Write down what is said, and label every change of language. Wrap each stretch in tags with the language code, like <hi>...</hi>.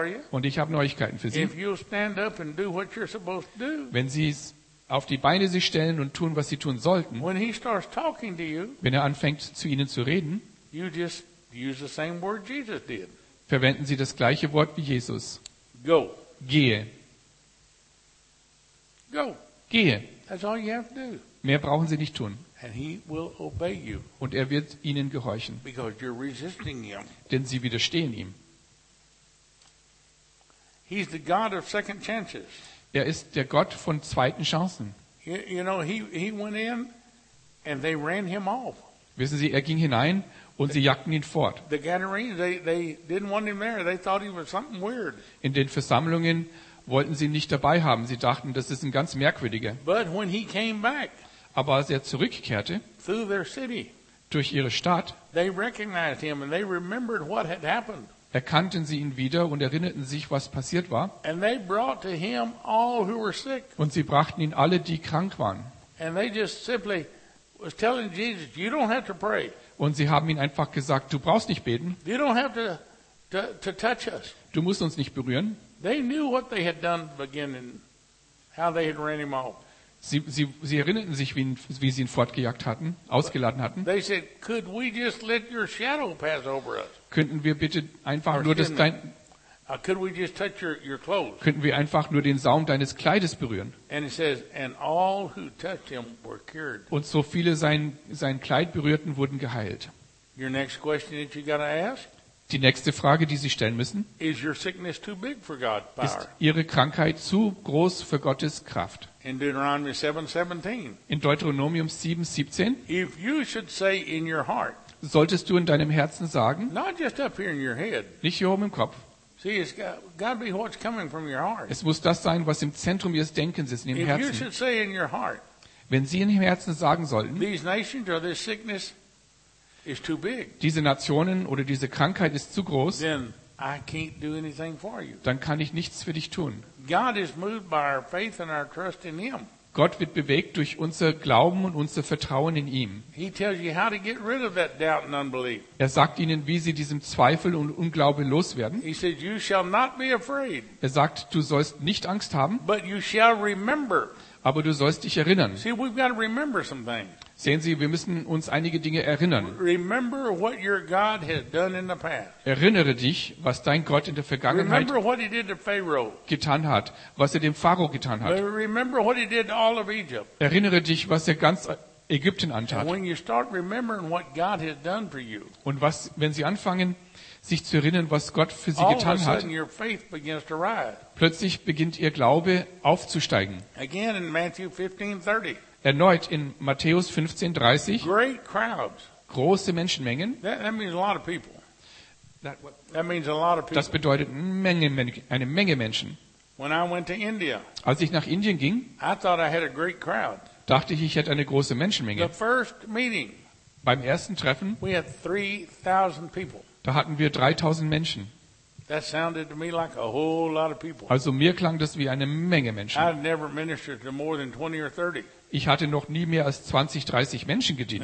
<de>Und ich habe Neuigkeiten für Sie. Wenn Sie es auf die Beine sich stellen und tun, was sie tun sollten,</de> <en>when he starts talking to you,</en> <de>wenn er anfängt, zu ihnen zu reden,</de> <en>you just use the same word Jesus did.</en> <de>Verwenden sie das gleiche Wort wie Jesus.</de> <en>Go.</en> <de>Gehe.</de> <en>Go.</en> <de>Gehe.</de> <en>That's all you have to do.</en> <de>Mehr brauchen sie nicht tun.</de> <en>And he will obey you.</en> <de>Und er wird ihnen gehorchen.</de> <en>Because you're resisting him.</en> <de>Denn sie widerstehen ihm.</de> <en>He's the God of second chances.</en> <de>Er ist der Gott von zweiten Chancen.</de> <en>You know, he went in and they ran him off.</en> <de>Wissen Sie, er ging hinein und sie jagten ihn fort.</de> <en>The Gadarenes, they didn't want him there. They thought he was something weird.</en> <de>In den Versammlungen wollten sie ihn nicht dabei haben. Sie dachten, das ist ein ganz merkwürdiger.</de> <en>But when he came back,</en> <de>aber als er zurückkehrte,</de> <en>through their city,</en> <de>durch ihre Stadt,</de> <en>they recognized him and they remembered what had happened.</en> <de>erkannten sie ihn wieder und erinnerten sich, was passiert war.</de> <en>And they brought to him all who were sick.</en> <de>Und sie brachten ihn alle, die krank waren.</de> <en>And they just simply was telling Jesus, you don't have to pray.</en> <de>Und sie haben ihn einfach gesagt, du brauchst nicht beten.</de> <en>You don't have to touch us.</en> <de>Du musst uns nicht berühren.</de> <en>They knew what they had done beginning, how they had ran him off.</en> <de>Sie erinnerten sich, wie sie ihn fortgejagt hatten, ausgeladen hatten.</de> <en>They said, could we just let your shadow pass over us?</en> <de>Könnten wir bitte einfach nur das dein</de> <en>could we just touch your clothes?</en> <de>Könnten wir einfach nur den Saum deines Kleides berühren?</de> <en>And he says, and all who touched him were cured.</en> <de>Und so viele sein Kleid berührten, wurden geheilt.</de> <en>Your next question that you got to ask?</en> <de>Die nächste Frage, die Sie stellen müssen,</de> <en>is your sickness too big for God, power?</en> <de>Ist Ihre Krankheit zu groß für Gottes Kraft?</de> <en>In Deuteronomy 7:17.</en> <de>In Deuteronomium 7:17.</de> <en>If you should say in your heart,</en> <de>solltest du in deinem Herzen sagen,</de> <en>not just up here in your head,</en> <de>nicht hier oben im Kopf.</de> <en>See, it's got to be what's coming from your heart.</en> <de>Es muss das sein, was im Zentrum Ihres Denkens ist, in Ihrem Herzen.</de> <en>You should say in your heart,</en> <de>wenn Sie in Ihrem Herzen sagen sollten,</de> <en>these nations or this sickness is too big,</en> <de>diese Nationen oder diese Krankheit ist zu groß,</de> <en>then I can't do anything for you.</en> <de>Dann kann ich nichts für dich tun.</de> <en>God is moved by our faith and our trust in him.</en> <de>Gott wird bewegt durch unser Glauben und unser Vertrauen in ihm.</de> <en>He tells you how to get rid of that doubt and unbelief.</en> <de>Er sagt ihnen, wie sie diesem Zweifel und Unglaube loswerden.</de> <en>He said, you shall not be afraid.</en> <de>Er sagt, du sollst nicht Angst haben,</de> <en>but you shall remember.</en> <de>Aber du sollst dich erinnern.</de> <en>See, we've got to remember some things.</en> <de>Sehen Sie, wir müssen uns einige Dinge erinnern.</de> <en>Remember what your God has done in the past.</en> <de>Erinnere dich, was dein Gott in der Vergangenheit</de> <en>remember what he did to Pharaoh.</en> <de>Getan hat, was er dem Pharao getan hat.</de> <en>Remember what he did to all of Egypt.</en> <de>Erinnere dich, was er ganz Ägypten antat.</de> <en>And when you start remembering what God has done for you,</en> <de>und was, wenn Sie anfangen, sich zu erinnern, was Gott für sie getan hat,</de> <en>your faith begins to rise.</en> <de>Plötzlich beginnt ihr Glaube aufzusteigen.</de> <en>Again in Matthew 15:30.</en> <de>Erneut in Matthäus 15:30.</de> <en>Great crowds.</en> <de>Große Menschenmengen.</de> <en>That means a lot of people. That means a lot of people.</en> <de>Das bedeutet eine Menge Menschen.</de> <en>When I went to India,</en> <de>als ich nach Indien ging,</de> <en>I thought I had a great crowd.</en> <de>Dachte ich, ich hätte eine große Menschenmenge.</de> <en>The first meeting,</en> <de>beim ersten Treffen,</de> <en>we had 3,000 people.</en> <de>Da hatten wir 3000 Menschen.</de> <en>That sounded to me like a whole lot of people.</en> <de>Also mir klang das wie eine Menge Menschen.</de> <en>I've never ministered to more than 20 or 30.</en> <de>Ich hatte noch nie mehr als 20, 30 Menschen gedient.</de>